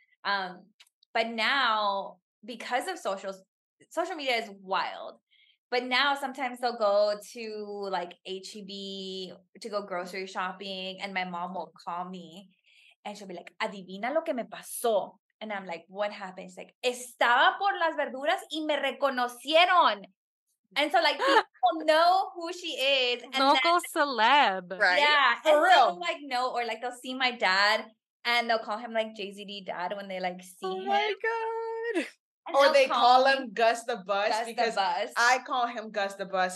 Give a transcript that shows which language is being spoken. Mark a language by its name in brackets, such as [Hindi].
[English] But now, because of socials, social media is wild. But now sometimes they'll go to like HEB to go grocery shopping and my mom will call me and she'll be like, [Spanish] adivina lo que me pasó. [English] And I'm like, what happened? It's like, [Spanish] estaba por las verduras y me reconocieron. [English] And so, like, people know who she is. And local then, celeb. Right. Yeah. For and real. They'll, like, know, or, like, they'll see my dad, and they'll call him, like, JZD dad when they, like, see oh him. Oh, my God. And or they call him Gus the Bus Gus because the bus. I call him Gus the Bus.